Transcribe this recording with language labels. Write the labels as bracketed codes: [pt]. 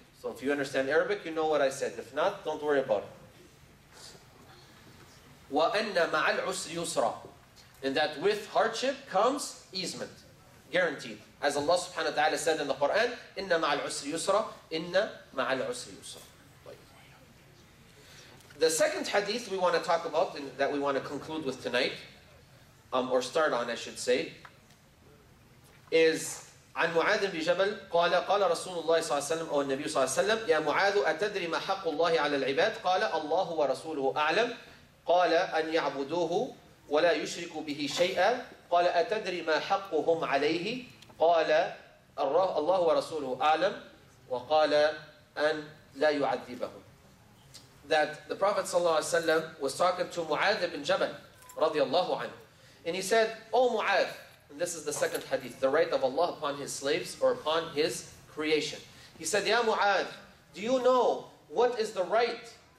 [en] So if you understand Arabic, you know what I said. If not, don't worry about it. [ar] وَإِنَّ مَعَ الْعُسْرِ يُسْرًا. [en] And that with hardship comes easement. Guaranteed. As Allah subhanahu wa ta'ala said in the Quran, [ar] إِنَّ مَعَ الْعُسْرِ يُسْرًا [en] إِنَّ مَعَ الْعُسْرِ يُسْرًا. The second hadith we want to talk about, and that we want to conclude with tonight, or start on, I should say, is [ar] عن معاذ بن جبل قال قال رسول الله صلى الله عليه وسلم أو النبي صلى الله عليه وسلم يا معاذ أتدري ما حق الله على العباد قال الله ورسوله أعلم قال أن يعبدوه ولا يشركوا به شيئا قال أتدري ما حقهم عليه قال الله ورسوله أعلم وقال أن لا يعذبهم. [en] That the Prophet ﷺ was talking to Mu'adh ibn Jabal radiallahu anhu. And he said, O Mu'adh, and this is the second hadith, the right of Allah upon his slaves or upon his creation. He said, Ya Mu'adh, do you know what is the right